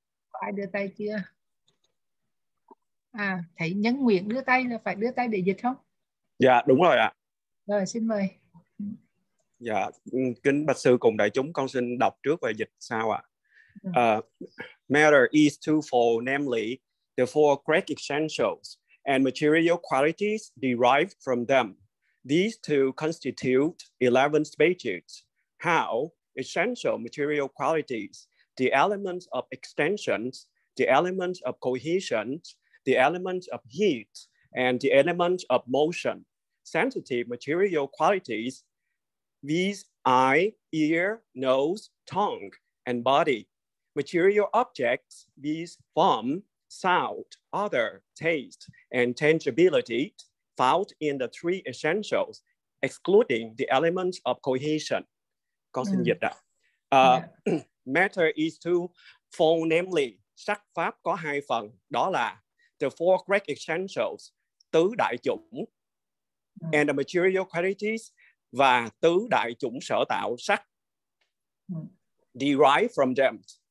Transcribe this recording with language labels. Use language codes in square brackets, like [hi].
[vi] Có ai đưa tay chưa? À, thấy Nhấn Nguyễn đưa tay là phải đưa tay để dịch không? Dạ, đúng rồi ạ. Rồi, xin mời. Dạ, kính bạch sư cùng đại chúng, con xin đọc trước và dịch sau ạ. [en] Matter is twofold, namely, the four great essentials and material qualities derived from them. These two constitute 11 species. How essential material qualities, the elements of extensions, the elements of cohesions, the elements of heat, and the elements of motion. Sensitive material qualities, these eye, ear, nose, tongue, and body. Material objects, these form, sound, odor, taste, and tangibility, found in the three essentials, excluding the elements of cohesion. [vi] Con xin dịch ạ. [en] Matter is twofold, namely, [vi] sắc pháp có hai phần, đó là [en] the four great essentials, [vi] tứ đại chủng, [en] and the material qualities, [vi] và tứ đại chủng sở tạo sắc, [en] derived from them.